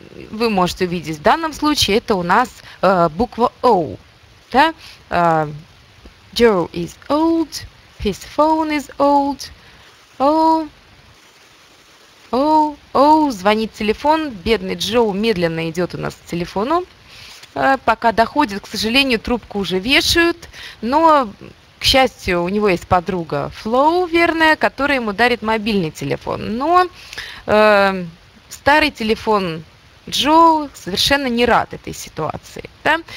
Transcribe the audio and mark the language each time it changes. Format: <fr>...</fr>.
<ru>Вы можете увидеть в данном случае, это у нас буква O. Да?</ru> <en>Joe is old, his phone is old, O, O,</en> <ru>Оу, звонит телефон. Бедный Джоу медленно идет у нас к телефону. Пока доходит, к сожалению, трубку уже вешают. Но, к счастью, у него есть подруга Флоу, верная, которая ему дарит мобильный телефон. Но старый телефон Джоу совершенно не рад этой ситуации. Да?</ru>